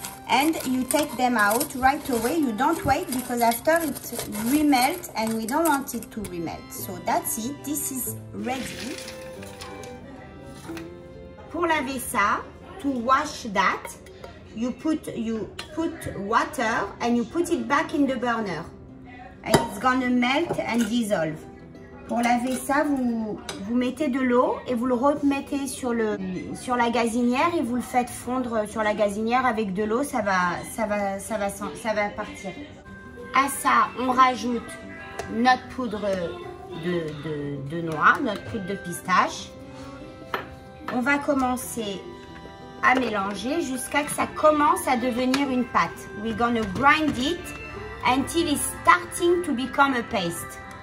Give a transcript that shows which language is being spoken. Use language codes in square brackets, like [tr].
[en] And you take them out right away. You don't wait because after it remelt and we don't want it to remelt. So that's it. This is ready. [fr] Pour laver ça, [en] to wash that, you put water and you put it back in the burner. And it's gonna melt and dissolve. [fr] Pour laver ça, vous mettez de l'eau et vous le remettez sur la gazinière et vous le faites fondre sur la gazinière avec de l'eau, ça va partir. À ça, on rajoute notre poudre de noix, notre poudre de pistache. On va commencer à mélanger jusqu'à ce que ça commence à devenir une pâte. [en] We're gonna grind it until it's starting to become a paste.